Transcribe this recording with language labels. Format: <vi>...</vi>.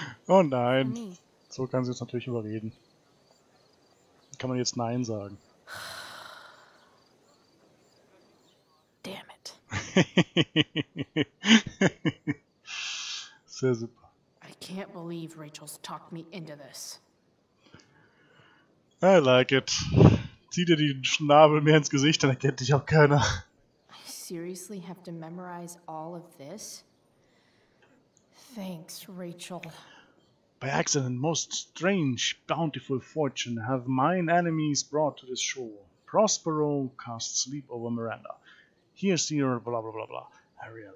<de>Oh nein. So kann sie jetzt natürlich überreden. Kann man jetzt nein sagen?</de> <en>Damn it.</en> <de>Sehr super.</de> <en>I can't believe Rachel's talked me into this. I like it.</en> <de>Zieh dir den Schnabel mehr ins Gesicht, dann erkennt dich auch keiner.</de> <en>I seriously have to memorize all of this? Thanks, Rachel. By accident, most strange, bountiful fortune have mine enemies brought to this shore. Prospero casts sleep over Miranda. Here's your blah blah blah blah. Ariel.</en>